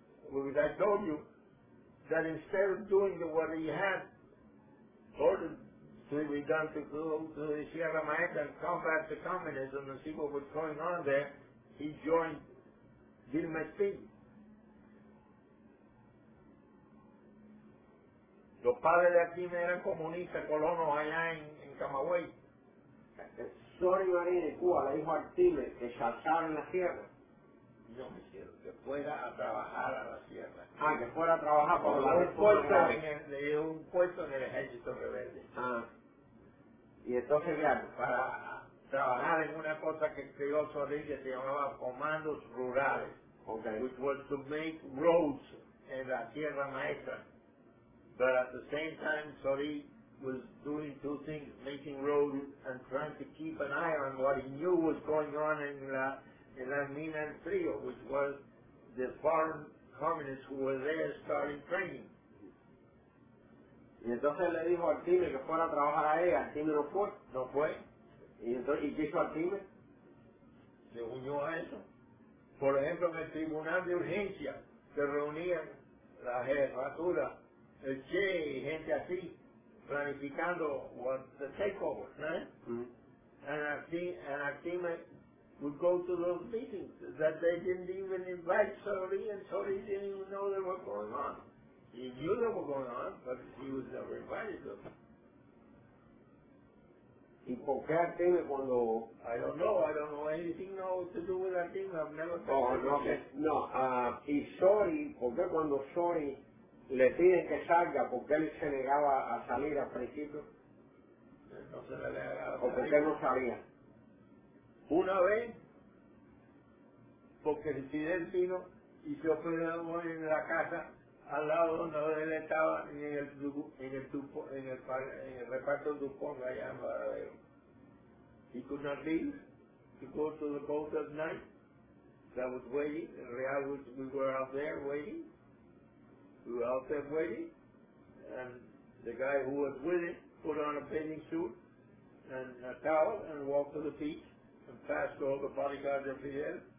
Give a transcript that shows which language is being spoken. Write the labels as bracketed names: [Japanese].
[English] Well, I told you that instead of doing what he had ordered to be done to go to the Sierra Maestra and combat the communism and see what was going on there, he joined Dilma Espín. [Spanish] Los padres de aquí eran comunistas, colonos allá en Camagüey. Sori María de Cuba le dijo al Tigre que saltara en la sierra. No, mi cielo, que fuera a trabajar a la sierra. Ah, que fuera a trabajar por la respuesta. Le dio un puesto en el ejército rebelde. Ah. Y entonces, claro, para trabajar en una cosa que creó Sori que se llamaba Comandos Rurales. [English] Okay. Which was to make roads en la Sierra Maestra. But at the same time, Sori was doing two things, making roads and trying to keep an eye on what he knew was going on in La Mina and Frio, which was the foreign communists who were there starting training. [Spanish] Y entonces le dijo al Tigre que fuera a trabajar ahí, al Tigre no fue. No fue. ¿Y qué hizo al Tigre? Se unió a eso. Por ejemplo, en el Tribunal de Urgencia se reunían la jefatura, el Che y gente así, planificando [English] what the takeover, right? Mm-hmm. And Akima would go to those meetings that they didn't even invite Sori, and Sori didn't even know they were going on. He knew they were going on, but he was never invited to them. ¿Y por qué Akima cuando...? I don't know. I don't know anything to do with Akima. I've never talked about it. [Spanish] No, y Sori, ¿por qué cuando Sori le piden que salga porque él se negaba a salir al principio? No se le negaba. ¿O porque él no salía? Una vez, porque el Fidel vino y se operó en la casa al lado donde él estaba en el reparto de Dupont allá en Baradero. [English] He could not leave to go to the boat at night. That was waiting. Real, we were out there waiting. We were out there waiting, and the guy who was with it put on a bathing suit and a towel and walked to the beach and passed all the bodyguards up here.